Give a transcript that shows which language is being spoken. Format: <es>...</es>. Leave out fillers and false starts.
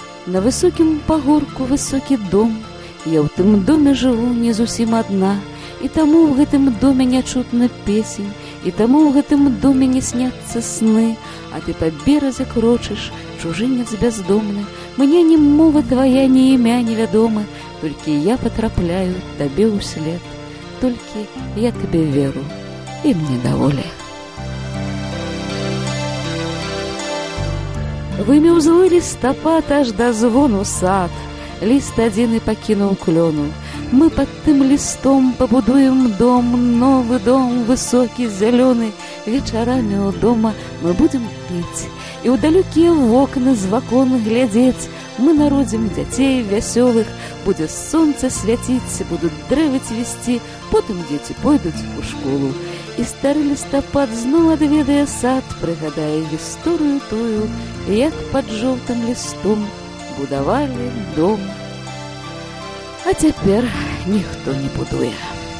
<be>На высокім пагорку высокі дом, я ў тым доме жыву не зусім адна, і таму ў гэтым доме не чутна песень, і таму ў гэтым доме не сняцца сны, а ты па беразе крочыш, чужынец бяздомны, мне ні мова твая, ні імя невядомы, толькі я патрапляю табе ўслед, толькі я табе веру, і мне даволі. Вымеў злы лістапад аж да звону сад, ліст адзін і пакінуў клёну. Мы пад тым лістом пабудуем дом, новы дом, высокі, зялёны. Вечарамі ў дома мы будзем піць, і ў далёкія вокны з вакон глядзець. Мы народзім дзяцей вясёлых, будзе сонца свяціць, будуць дрэвы цвісці, потым дзеці пойдуць у школу. І стары лістапад зноў адведае сад, прыгадае гісторыю тую, як пад жоўтым лістом будавалі дом.</be> <ru>А теперь никто не будует.</ru>